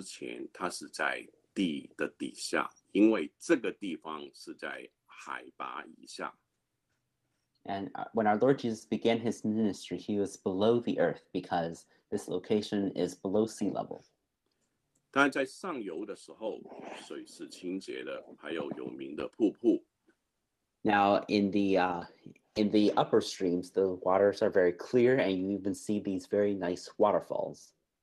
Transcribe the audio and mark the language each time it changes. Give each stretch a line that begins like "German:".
Chinese: 我们主耶稣开始服事之前，他是在地的底下， 因为这个地方是在海拔以下。
English: And when our Lord Jesus began his ministry, he was below the earth because this location is below sea level.
Chinese: 但在上游的时候，水是清洁的，还有有名的瀑布。
English: Now in the upper streams, the waters are very clear, and you even see these very nice waterfalls.